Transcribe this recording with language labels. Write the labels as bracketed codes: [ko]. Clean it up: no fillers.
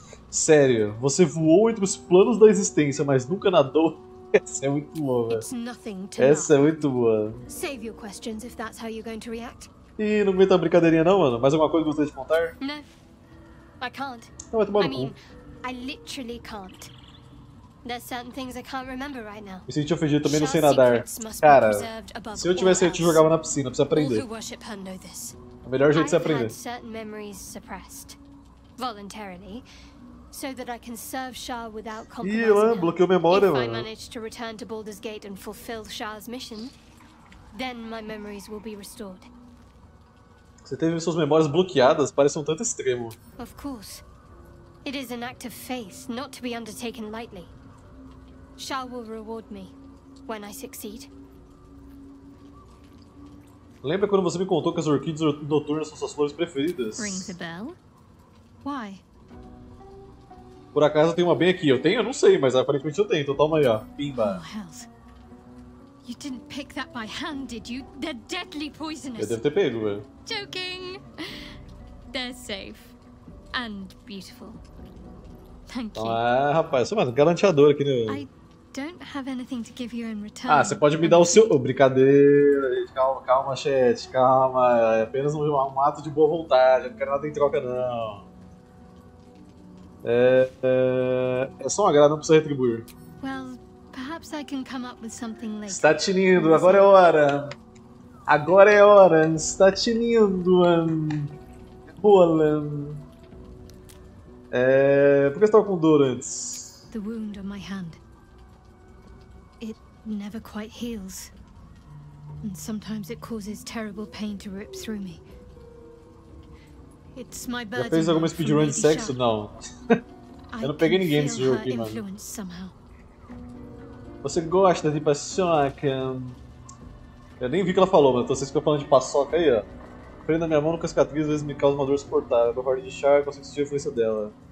[pt] Sério, você voou entre os planos da existência, mas nunca nadou. Essa é muito boa, velho. Essa é muito boa. [en] Save your questions if that's how you're going to react. [pt] Ih, não aguenta a brincadeirinha não, mano. Mais alguma coisa que gostaria de contar? [en] Não. I can't. [pt] Não, vai tomar no [en] cu. I literally can't. There's certain things I can't remember right now. [pt] Me senti ofendido, também não sei nadar. Cara, se eu tivesse, eu te jogava na piscina, precisa aprender. [en] All who worship her know this. [pt] O melhor jeito de se aprender. [en] I've had certain memories suppressed, voluntarily, so that I can serve Shah without compromising. [pt] Ih, mano, bloqueou memória, mano. [en] If I manage to return to Baldur's Gate and fulfill Shah's mission, then my memories will be restored. [pt] Você teve suas memórias bloqueadas? Parece um tanto extremo. [en] Of course. It is an act of faith, not to be undertaken lightly. Shah will reward me when I succeed. [pt] Lembra quando você me contou que as orquídeas noturnas são suas flores preferidas? [en] Rings a bell? Why? [pt] Por acaso tem uma bem aqui? Eu tenho? Eu não sei, mas aparentemente eu tenho, então toma aí, ó. Bimba. [en] Oh, health. You didn't pick that by hand, did you? They're deadly poisonous. [pt] Eu devo ter pego, velho. [en] Joking! They're safe. And beautiful. Thank you. [pt] Ah, rapaz, você é um galanteador aqui, né? [en] I don't have anything to give you in return. [pt] Ah, você pode me dar o seu... Oh, brincadeira, gente. Calma, calma, chat. Calma. É apenas um ato de boa vontade. Eu não quero nada em troca, não. É só um agrado, não precisa retribuir. [en] Well, perhaps I can come up with something later. [pt] Está tinindo, agora é hora. Agora é hora. Está tinindo. Bola. Por que você estava com dor antes? [en] The wound on my hand. It never quite heals. And sometimes it causes terrible pain to rip through me. It's my burden. [pt] Já fez alguma speedrun de sexo? Não. Eu não peguei ninguém nesse jogo aqui, mano. Você gosta de paçoca? Eu nem vi o que ela falou, mas vocês ficam falando de paçoca aí, ó. Prendo a minha mão no cascatriz, às vezes me causa uma dor suportável. Com a parte de Char, consigo sentir a influência dela.